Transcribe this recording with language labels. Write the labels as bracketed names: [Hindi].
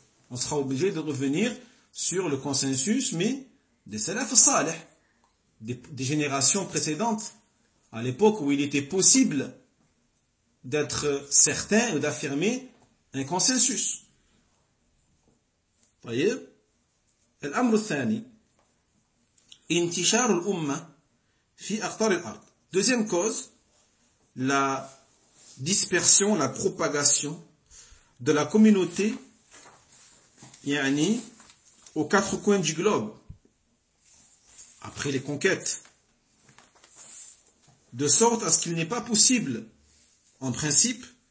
[French] On sera obligé de revenir sur le consensus, mais des salafs salih, des générations précédentes, à l'époque où il était possible d'être certain ou d'affirmer un consensus. Voyez ? [Arabic] الأمر الثاني انتشار الأمة في أقطار الأرض. [French] Deuxième cause, la dispersion, la propagation de la communauté, yani aux quatre coins du globe après les conquêtes, de sorte à ce qu'il n'est pas possible en principe